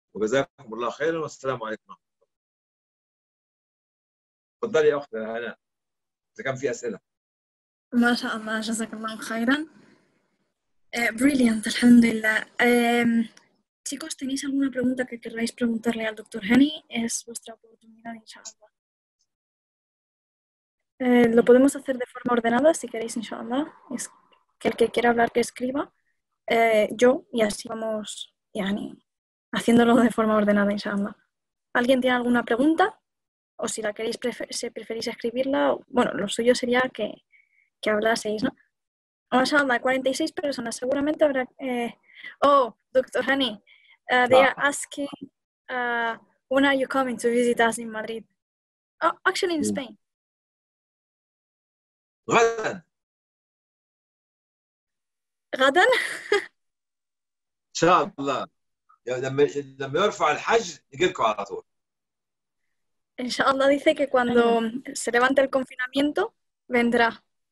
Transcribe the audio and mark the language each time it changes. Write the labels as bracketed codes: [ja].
[ar] وجزاكم الله خيرا، والسلام عليكم ورحمة الله. تفضلي يا أختي هنا، إذا كان في أسئلة. ما شاء الله، جزاك الله خيرا. [en] Brilliant، [ar] الحمد لله. [es] Chicos, ¿tenéis alguna pregunta que querráis preguntarle al doctor Hani? Es vuestra oportunidad, inshallah. Lo podemos hacer de forma ordenada, si queréis, inshallah. Es que el que quiera hablar que escriba. Yo, y así vamos yani, haciéndolo de forma ordenada, inshallah. ¿Alguien tiene alguna pregunta? O si la queréis, preferís escribirla, o, bueno, lo suyo sería que hablaseis, ¿no? O sea, 46 personas, seguramente habrá... [en] Oh, Dr. Hani, they are asking, when are you coming to visit us in Madrid? Oh, actually in Spain. [ar] غدا ان شاء الله، لما يرفع الحج نجيلكم على طول ان شاء الله. [es] dice que cuando se levante el confinamiento vendrá.